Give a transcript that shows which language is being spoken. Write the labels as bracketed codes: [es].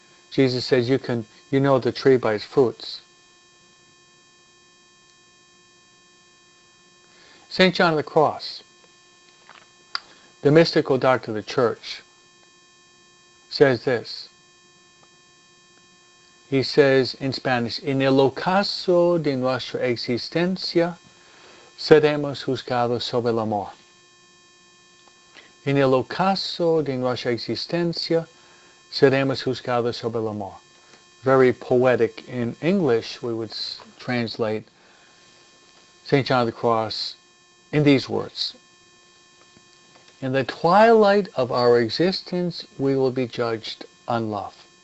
[en] Jesus says you know the tree by its fruits. St. John of the Cross, the mystical doctor of the church, says this. He says in Spanish, [es] en el ocaso de nuestra existencia, seremos juzgados sobre el amor. En el ocaso de nuestra existencia, seremos juzgados sobre el amor. [en] Very poetic in English, we would translate St. John of the Cross in these words. In the twilight of our existence, we will be judged on love.